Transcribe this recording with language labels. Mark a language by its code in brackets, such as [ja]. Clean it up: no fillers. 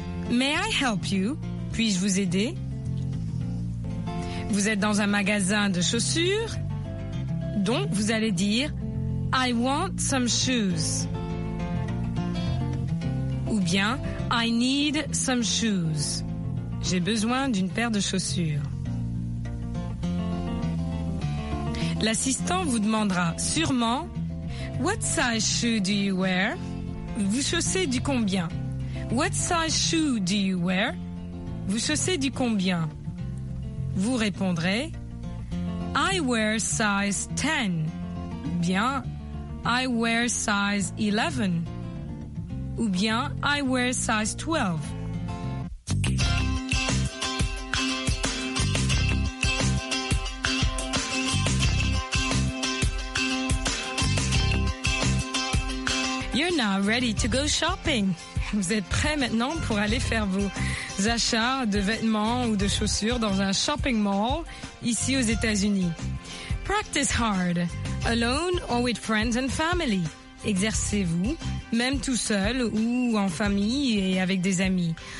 [en] May I help you? [fr] Puis-je vous aider? » Vous êtes dans un magasin de chaussures, donc vous allez dire « [en] I want some shoes. [fr] » Ou bien « [en] I need some shoes. [fr] » J'ai besoin d'une paire de chaussures. L'assistant vous demandera sûrement « [en] What size shoe do you wear? [fr] » Vous chaussez du combien? [en] What size shoe do you wear? [fr] Vous chaussez du combien? Vous répondrez [en] I wear size 10. [fr] Bien, [en] I wear size 11. [fr] Ou bien, [en] I wear size 12. You're now ready to go shopping. [fr] Vous êtes prêt maintenant pour aller faire vos achats de vêtements ou de chaussures dans un shopping mall ici aux États-Unis. [en] Practice hard, alone or with friends and family. [fr] Exercez-vous, même tout seul ou en famille et avec des amis.